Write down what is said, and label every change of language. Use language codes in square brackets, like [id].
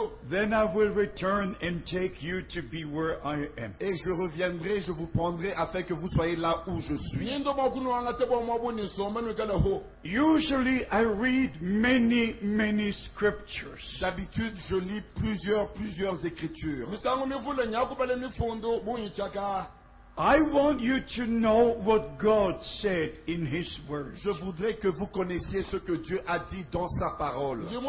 [en] Then I will return and take you to be where I am. [fr] Et je reviendrai, je vous prendrai afin que vous soyez là où je suis. [en] Usually I read many, many scriptures. [fr] D'habitude, je lis plusieurs écritures. [en] I want you to know what God said in His Word. [fr] Je voudrais que vous connaissiez ce que Dieu a dit dans sa parole.